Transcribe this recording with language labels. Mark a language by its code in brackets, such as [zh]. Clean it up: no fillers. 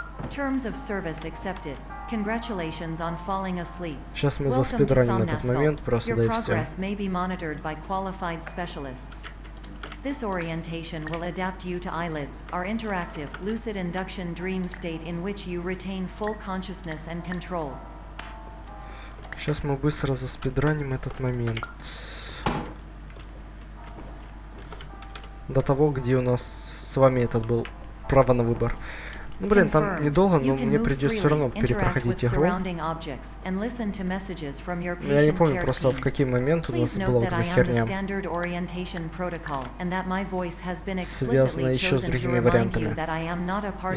[en] Terms of service accepted. Congratulations on falling asleep. [ru] Сейчас мы за спидранили этот момент, просто да и все. [en] Your progress may be monitored by qualified specialists. This orientation will adapt you to eyelids, our interactive, lucid induction dream state in which you retain full consciousness and control. [ru] Сейчас мы быстро за спидранили этот момент. До того, где у нас с вами этот был право на выбор. Ну блин, там недолго, но мне придется все равно перепроходить игру. Я не помню просто, в какой момент у нас была вот эта херня, связанная еще с другими вариантами.